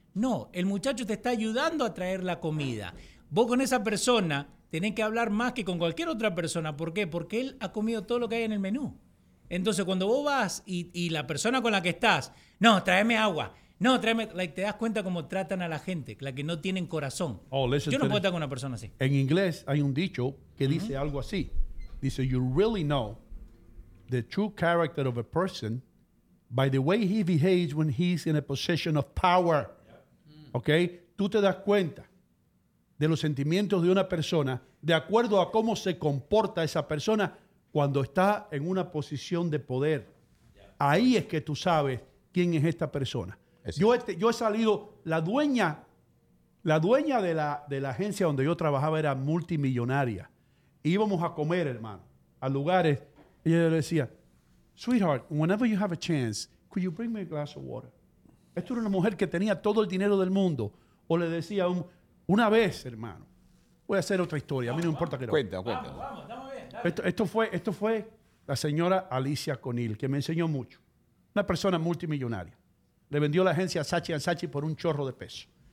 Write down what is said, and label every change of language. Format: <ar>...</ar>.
<es>No, el muchacho te está ayudando a traer la comida. Vos con esa persona tenés que hablar más que con cualquier otra persona. ¿Por qué? Porque él ha comido todo lo que hay en el menú. Entonces, cuando vos vas y la persona con la que estás, no, tráeme agua, no, tráeme... Like, te das cuenta cómo tratan a la gente, la que no tienen corazón. Yo no puedo estar con una persona así. En inglés hay un dicho que dice algo así.</es> <en>Dice, you really know the true character of a person by the way he behaves when he's in a position of power.</en> <es>¿Ok? Tú te das cuenta de los sentimientos de una persona de acuerdo a cómo se comporta esa persona cuando está en una posición de poder. Ahí es que tú sabes quién es esta persona. Yo he salido, la dueña de la agencia donde yo trabajaba era multimillonaria. Íbamos a comer, hermano, a lugares. Y ella le decía,</es> <en>sweetheart, whenever you have a chance, could you bring me a glass of water?</en> <es>Esto era una mujer que tenía todo el dinero del mundo. O le decía a un... Una vez, hermano, voy a hacer otra historia. Vamos, a mí no importa que no. Cuenta. Vamos, estamos bien. Esto fue la señora Alicia Conil, que me enseñó mucho. Una persona multimillonaria. Le vendió la agencia a Saatchi & Saatchi por un chorro de pesos.</es>